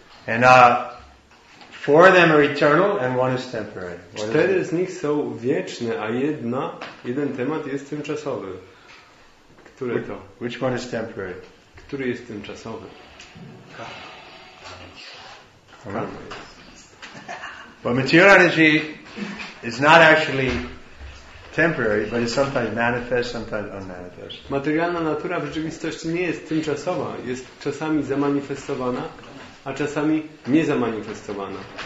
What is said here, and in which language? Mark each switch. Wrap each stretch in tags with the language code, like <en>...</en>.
<en>And four of them are eternal and one is temporary.</en> <pl>Cztery z nich są wieczne, a jeden temat jest tymczasowy. Który to?</pl> <en>Which one is temporary?</en> <pl>Który jest tymczasowy?</pl> <en>But material energy is not actually temporary, but it's sometimes manifest, sometimes unmanifest.</en> <pl>Materialna natura w rzeczywistości nie jest tymczasowa. Jest czasami zamanifestowana, a czasami niezamanifestowana.</pl>